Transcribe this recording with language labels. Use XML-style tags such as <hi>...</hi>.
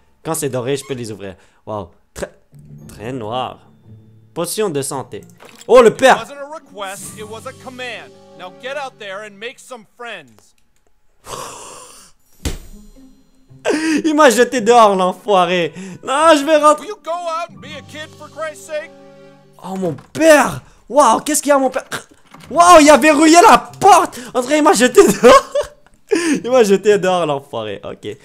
<fr>Quand c'est doré, je peux les ouvrir. Waouh. Très noir. Potion de santé. Oh, le père! Ce n'était pas une requête, c'était une commande. Maintenant, sortez de là et faites des amis. Il m'a jeté dehors, l'enfoiré. Non, je vais rentrer.</fr> <en>Will you go out and be a kid, for Christ's sake?</en> <fr>Oh, mon père. Waouh, qu'est-ce qu'il y a, mon père? Waouh, il a verrouillé la porte. En vrai, il m'a jeté dehors. Il m'a jeté dehors, l'enfoiré. Ok.</fr>